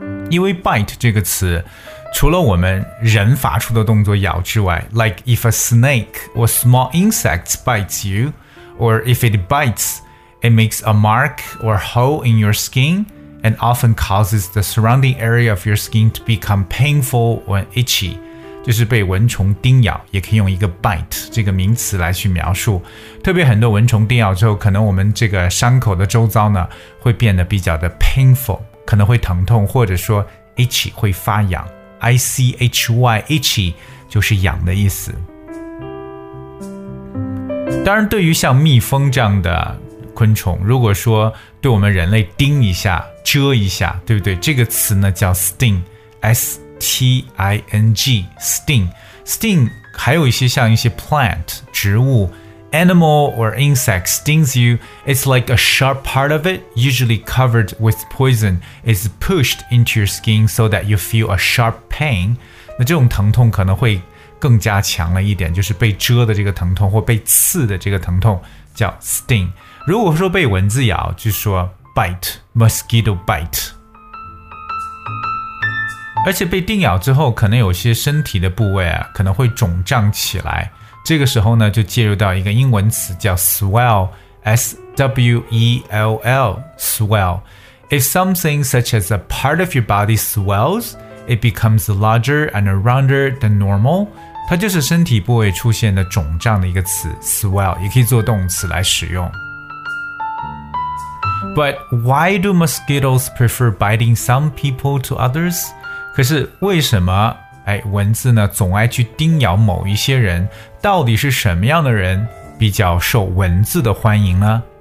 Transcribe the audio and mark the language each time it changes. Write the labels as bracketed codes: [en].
[zh] 因为 bite 这个词除了我们人发出的动作咬之外， [en] like if a snake or small insects bites you, or if it bites, it makes a mark or hole in your skin and often causes the surrounding area of your skin to become painful or itchy. [zh] 就是被蚊虫叮咬，也可以用一个 bite 这个名词来去描述。特别很多蚊虫叮咬之后，可能我们这个伤口的周遭呢会变得比较的 painful， 可能会疼痛，或者说 itchy 会发痒。 I-C-H-Y, itchy, 就是痒的意思。当然对于像蜜蜂这样的昆虫，如果说对我们人类叮一下，蛰一下，对不对？这个词呢叫 sting, S-T-I-N-G, sting。 [en] Sting 还有一些像一些 plant, 植物， animal or insect stings you, it's like a sharp part of it, usually covered with poison, is pushed into your skin so that you feel a sharp pain. [zh] 那这种疼痛可能会更加强了一点，就是被蛰的这个疼痛或被刺的这个疼痛叫 sting。如果说被蚊子咬就说 bite, [en] mosquito bite。 [zh] 而且被叮咬之后，可能有些身体的部位啊可能会肿胀起来，这个时候呢就介入到一个英文词叫 swell, S-W-E-L-L, swell. [en] If something such as a part of your body swells, it becomes larger and rounder than normal. [zh] 它就是身体部位出现的肿胀的一个词， swell, 也可以做动词来使用。 [en] But why do mosquitoes prefer biting some people to others? [zh] 可是为什么蚊子呢总爱去叮咬某一些人，到底是什么样的人比较受蚊子的欢迎呢？